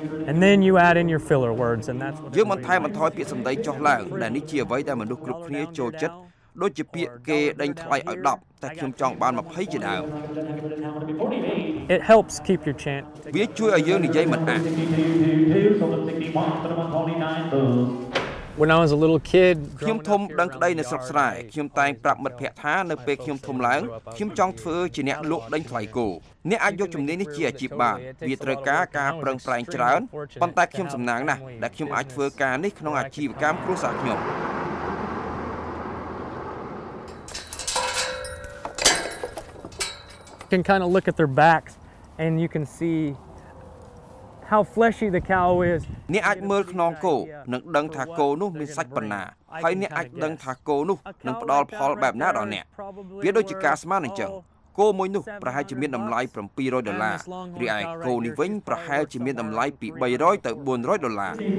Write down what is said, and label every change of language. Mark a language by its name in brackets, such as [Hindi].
[English] And then you add in your filler words and that's what [Khmer] យើងបន្ថែមបន្ថយពាក្យសម្ដីចុះឡើងដែលនេះជាអ្វីដែលមនុស្សគ្រប់គ្នាចូលចិត្តដូចជាពាក្យគេដេញថ្លៃឲ្យ10តែខ្ញុំចង់បាន20ជាដើម [English] It helps keep your chant [Khmer] វាជួយឲ្យយើងនិយាយមិនអាក [English] When I was a little kid [Khmer] ខ្ញុំធំដឹងក្តីនៅស្រុកស្រែខ្ញុំតែងប្រាប់មិត្តភក្តិថានៅពេលខ្ញុំធំឡើងខ្ញុំចង់ធ្វើជាអ្នកលក់ដេញថ្លៃគោអ្នកអាចយកជំនាញនេះជាអាជីពបានវាត្រូវការការប្រឹងប្រែងច្រើនប៉ុន្តែខ្ញុំសំណាងណាស់ដែលខ្ញុំអាចធ្វើការនេះក្នុងអាជីវកម្មគ្រួសារខ្ញុំ [English] can kind of look at their backs and you can see how fleshy the cow is [Khmer] អ្នកអាចមើលខ្នងគោនឹងដឹងថាគោនោះមានសាច់ប៉ុណ្ណាហើយអ្នកអាចដឹងថាគោនោះនឹងផ្ដល់ផលបែបណាដល់អ្នកវាដូចជាការស្មានអញ្ចឹងគោមួយនោះប្រហែលជាមានតម្លៃ700ដុល្លាររីឯគោនេះវិញប្រហែលជាមានតម្លៃពី300ទៅ400ដុល្លារ